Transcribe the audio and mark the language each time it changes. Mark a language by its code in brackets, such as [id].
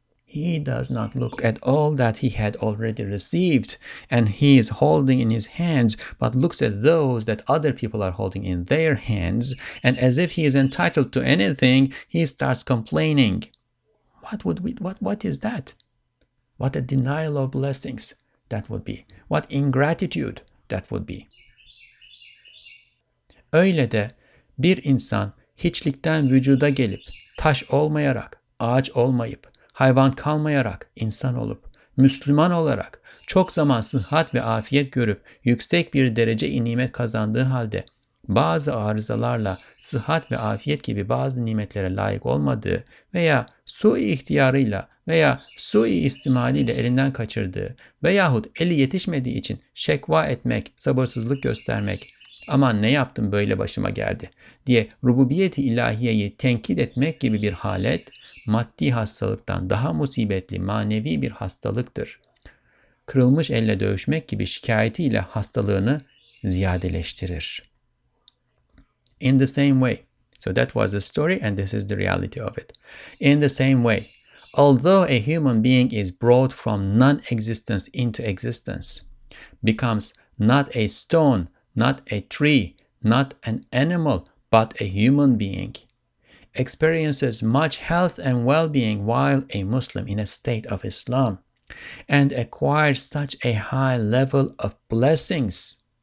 [en] He does not look at all that he had already received, and he is holding in his hands, but looks at those that other people are holding in their hands, and as if he is entitled to anything, he starts complaining. What is that? What a denial of blessings that would be. What ingratitude that would be. [tr] Öyle de bir insan hiçlikten vücuda gelip, taş olmayarak, ağaç olmayıp, hayvan kalmayarak insan olup, Müslüman olarak çok zaman sıhhat ve afiyet görüp yüksek bir derece nimet kazandığı halde bazı arızalarla sıhhat ve afiyet gibi bazı nimetlere layık olmadığı veya sui ihtiyarıyla veya sui istimaliyle elinden kaçırdığı veyahut eli yetişmediği için şekva etmek, sabırsızlık göstermek, aman ne yaptım böyle başıma geldi diye rububiyet-i ilahiyeyi tenkit etmek gibi bir halet, maddi hastalıktan daha musibetli manevi bir hastalıktır. Kırılmış elle dövüşmek gibi şikayetiyle hastalığını ziyadeleştirir. [en] In the same way, so that was the story and this is the reality of it. In the same way, although a human being is brought from non-existence into existence, becomes not a stone, not a tree, not an animal, but a human being, experiences much health and well-being while a Muslim in a state of Islam, and acquires such a high level of blessings.